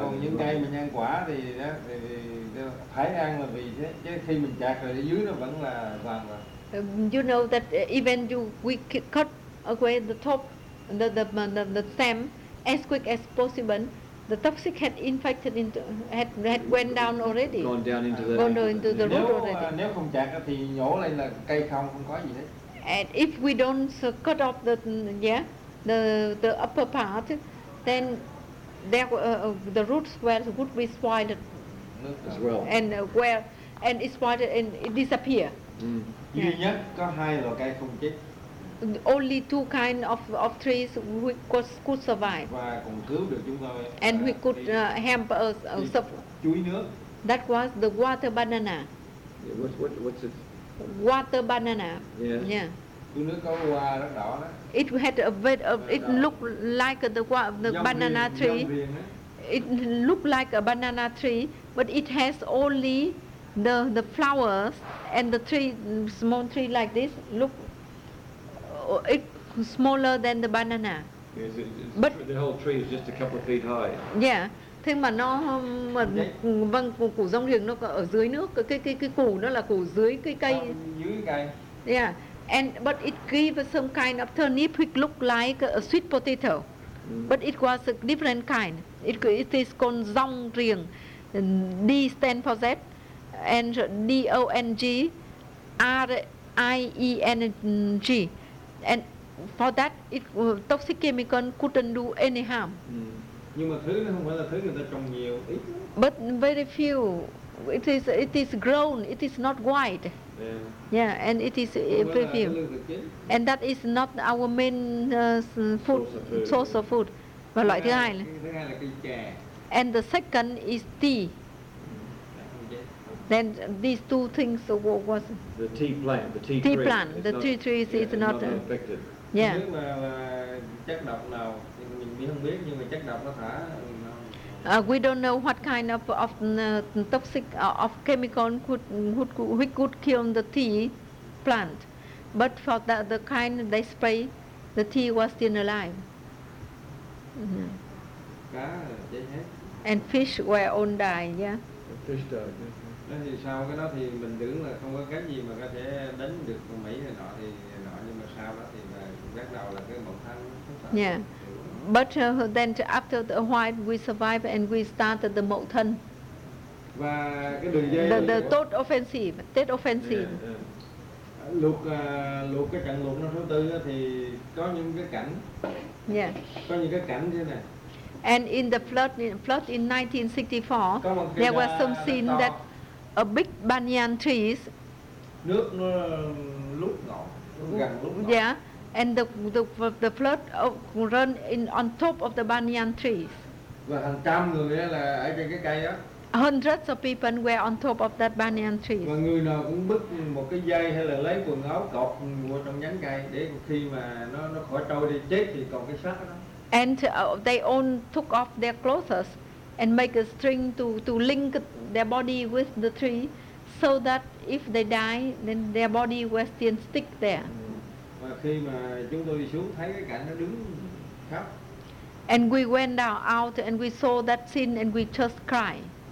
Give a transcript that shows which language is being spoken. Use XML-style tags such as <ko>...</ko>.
<vi>Còn những cây mình ăn quả thì đó phải ăn là vì thế, chứ khi mình chặt rồi dưới nó vẫn là vàng rồi.</vi> <en>You know that even we cut away the top, the stem as quick as possible, the toxic had infected into had went down already. Gone down into the gone into the root already.</en> <vi>Nếu không chặt thì nhổ lên là cây không có gì hết.</vi> <en>And if we don't cut off the upper part, then the roots would be spoiled as well. And well, and it's spoiled and it disappear.</en> <vi>Duy nhất có hai loại cây không chết.</vi> <en>Only two kind of trees we could survive.</en> <vi>Và còn cứu được chúng tôi.</vi> <en>And we could help us</en> <vi>chuối nước.</vi> <en>That was the water banana. Yeah, what's it? Water banana. Yeah.</en> <vi>Chuối nước có hoa rất đỏ đó.</vi> <en>It had a bit of it looked like the banana tree. It looked like a banana tree, but it has only the flowers and the tree, small tree like this, look it smaller than the banana. Yes, it's but the whole tree is just a couple of feet high. Yeah,</en> <vi>Thế mà nó mà vâng, củ rong riềng nó ở dưới nước, cái củ nó là củ dưới cái cây. Dưới cây.</vi> <en>Yeah. And but it gave some kind of turnip which looked like a sweet potato. But it was a different kind. It is called rong riềng. D stand for Z. And D-O-N-G R-I-E-N-G. And for that, it, toxic chemical couldn't do any harm.</en> <vi>Nhưng mà thứ nó không phải là thứ người ta trồng nhiều, ít.</vi> <en>But very few. It is grown, it is not white. Yeah. Yeah, and it is very few. And that is not our main food, source of food.</en> <vi>Và loại thứ hai là cây chè.</vi> <en>And the second is tea. Then these two things what was it? The tea plant, the tea, tea tree. Plant, the not, tea tree is, yeah, is not affected. Yeah.</en> <vi>Nếu mà chất độc nào mình không biết, nhưng mà chất độc nó thả nó...</vi> <en>We don't know what kind of toxic of chemical could kill the tea plant, but for the kind they spray, the tea was still alive.</en> <vi>Cá chết hết.</vi> <en>And fish were all died. Yeah. Fish died.</en> <vi>Thì sau cái đó thì mình tưởng là không có cái gì mà có thể đánh được con Mỹ hay nọ thì nọ, nhưng mà sau đó thì bắt đầu là cái bọn thắng xuất hiện.</vi> <en>But then after a while we survived and we started the Mậu Thân.</en> <vi>Và cái đường dây</vi> <en>the Tết Offensive, Tết Offensive. Yeah.</en> <vi>Lục cái trận lục năm thứ tư thì có những cái cảnh.</vi> <en>Yeah.</en> <vi>Có những cái cảnh thế này.</vi> <en>And in the flood in 1964, there was some scene that a big banyan trees.</en> <vi>Nước nó lúc ngọt, gần lúc ngọt.</vi> <en>Yeah, and the flood run in on top of the banyan trees.</en> <vi>Và hàng trăm người là ở trên cái cây đó.</vi> <en>Hundreds of people were on top of that banyan trees.</en> <vi>Và người nào cũng bứt một cái dây hay là lấy quần áo cột vào trong nhánh cây để khi mà nó khỏi trôi đi chết thì còn cái xác đó.</vi> <en>And they all took off their clothes and make a string to link their body with the tree so that if they die, then their body will still stick there.</en> <vi>Và khi mà chúng tôi đi xuống thấy cái cảnh nó đứng khóc.</vi> <en>And we went down out and we saw that scene and we just cried.</en>